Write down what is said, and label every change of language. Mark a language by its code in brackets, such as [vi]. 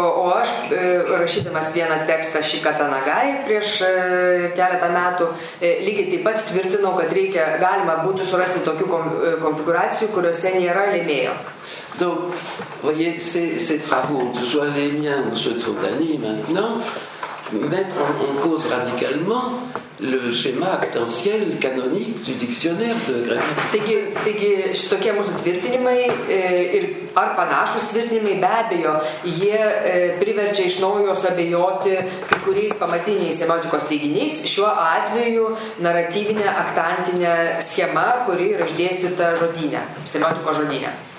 [lt] Aš, rašydamas vieną tekstą Šikata Nagai prieš keletą metų, lygiai taip pat tvirtinau, kad reikia, galima būtų surasti tokių konfiguracijų, kuriuose nėra lėmėjo. [fr] Donc, voyez, ces travaux, que ce soit les miens ou ceux de Fontani maintenant, mettre en cause radicalement le schéma actentiel canonique du dictionnaire de Grévin. [lt] Taigi, šitokie mūsų tvirtinimai ir ar panašus tvirtinimai, be abejo, jie priverčia iš naujo suabejoti kai kuriais pamatiniais semiotikos teiginiais, šiuo atveju naratyvinė aktantinė schema, kuri yra išdėstyta žodynė, semiotikos žodynė.